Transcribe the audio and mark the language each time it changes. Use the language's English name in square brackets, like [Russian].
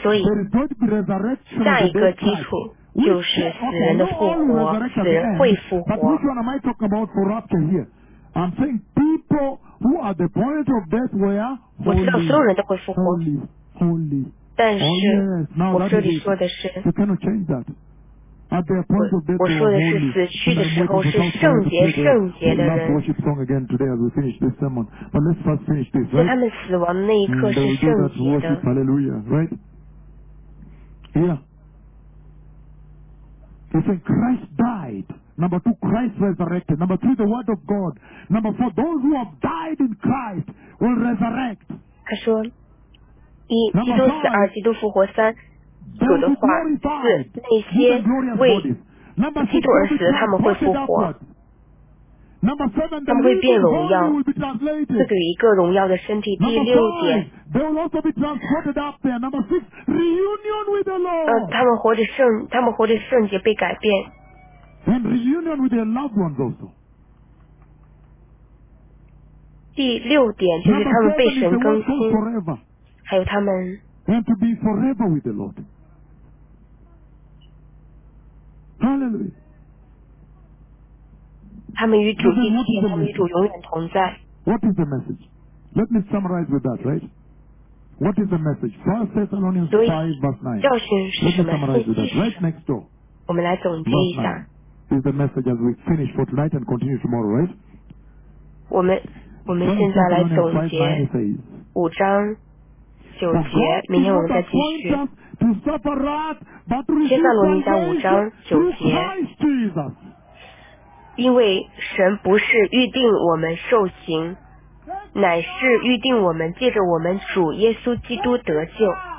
[Chinese] 所以下一个基础就是死人的复活，死人会复活。 [English] I'm saying people who at the point of death were holy, [Chinese] 我知道所有人都会复活。 [English] holy, holy. [Chinese] 但是、 [English] oh, yes. [Chinese] 我这里说的是 [English] you cannot change that. At the point of death, [Chinese] 我说的是死去的时候是圣洁圣洁的人。 [English] Let's worship song again today as we finish this sermon. But let's first finish this, right? [Chinese] 在他们死亡那一刻是圣洁的。 [English] Hallelujah, right? Yeah. You say Christ died. Number two, Christ resurrected. Number three, the word of God. Number four, those who have died in Christ will resurrect. [Chinese] 他说，一，基督死；二，基督复活；三，主的话；四，那些为基督而死，他们会复活。 [English] Number seven, [Chinese] 他们会变荣耀，赐给一个荣耀的身体。第六点，他们活着圣，他们活着圣洁被改变。 [English] And reunion with their loved ones also. [Chinese] 第六点就是他们被神更新，还有他们。 [English] And to be forever with the Lord. Hallelujah. [Chinese] 他们与主一起，他们与主永远同在。 [English] What is the message? Let me summarize with that, right? What is the message? 1 Thessalonians 5 verse 9. Let me summarize with that. Right next door. [Chinese] 我们来总结一下。 [English] Is the message as we finish for tonight and continue tomorrow, right? [Chinese] 我们现在来总结五章九节，明天我们再继续。帖撒罗尼迦五章九节，因为神不是预定我们受刑，乃是预定我们借着我们主耶稣基督得救。